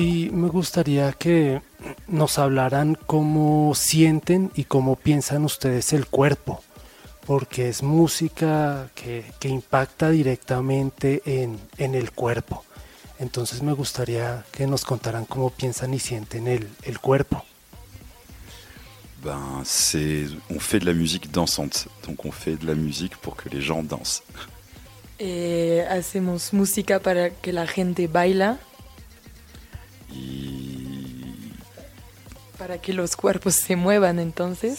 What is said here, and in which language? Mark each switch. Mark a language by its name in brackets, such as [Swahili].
[Spanish] Me gustaría que nos hablaran cómo sienten y cómo piensan ustedes el cuerpo, porque es música que impacta directamente en el cuerpo. Entonces me gustaría que nos contaran cómo piensan y sienten el cuerpo. [French] Ben, on fait de la musique dansante, donc on fait de la musique pour que les gens dansent. [Spanish] Hacemos música para que la gente baila. Y para que los cuerpos se muevan, entonces.